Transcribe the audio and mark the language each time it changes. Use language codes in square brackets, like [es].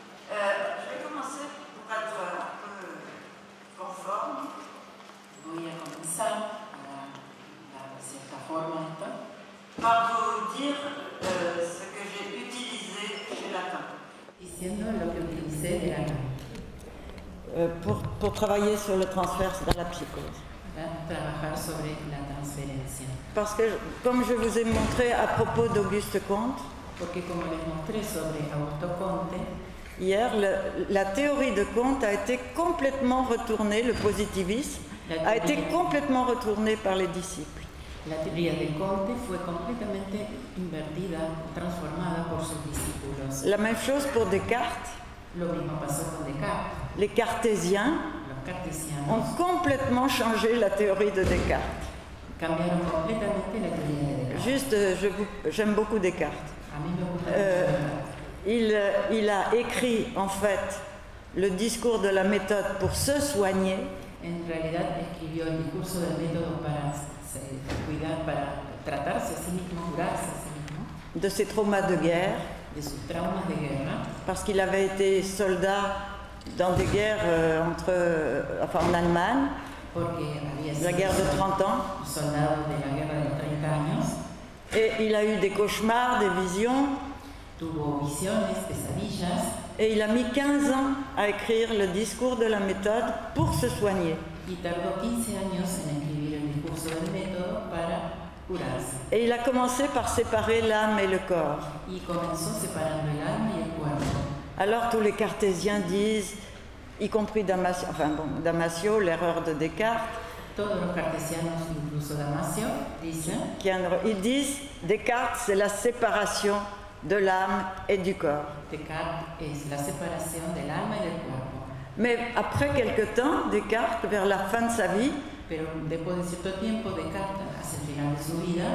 [fr] Je vais commencer pour être un peu conforme. [es] Voy a comenzar de cierta forma esto. [fr] Par vous dire ce que j'ai utilisé chez Lacan. [es] Diciendo lo que utilicé de Lacan. [fr] Pour travailler sur le transfert dans la psychose. [es] Sobre la transferencia. [fr] Parce que, comme je vous ai montré à propos d'Auguste Comte, [es] porque como les montré sobre Augusto Comte, [fr] hier, la théorie de Comte a été complètement retournée, le positivisme a été complètement retournée par les disciples. [es] La théorie de Comte fue completamente invertida, transformada por sus discípulos. [fr] La même chose pour Descartes. [es] Lo mismo pasó con Descartes. [fr] Les cartésiens ont complètement changé la théorie de Descartes. [es] Cambiaron completamente la teoría de Descartes. [fr] Juste, j'aime beaucoup Descartes. [es] A mí me gusta mucho Descartes. [fr] Il a écrit, en fait, le discours de la méthode pour se soigner. [es] En realidad, escribió el discurso del método para se cuidar, para tratarse a sí mismo, curarse a sí mismo. [fr] De ses traumas de guerre. [es] De sus traumas de guerra. [fr] Parce qu'il avait été soldat dans des guerres en Allemagne, la guerre de 30 ans, [es] de la guerra de 30 años, [fr] et il a eu des cauchemars, des visions, [es] tuvo visiones, pesadillas, [fr] et il a mis 15 ans à écrire le discours de la méthode pour se soigner. [es] Y tardó 15 años en escribir el discurso del método para curarse. [fr] Et il a commencé par séparer l'âme et le corps. [es] Y comenzó separando el alma y el cuerpo. [fr] Alors tous les cartésiens disent, y compris Damasio, enfin bon, Damasio, l'erreur de Descartes. [es] Todos los cartesianos, incluso Damasio, dicen. [fr] Ils disent, Descartes, c'est la séparation de l'âme et du corps. [es] Descartes es la separación del alma y del cuerpo. [fr] Mais après quelque temps, Descartes, vers la fin de sa vie, [es] pero después de cierto tiempo, Descartes, hacia el final de su vida,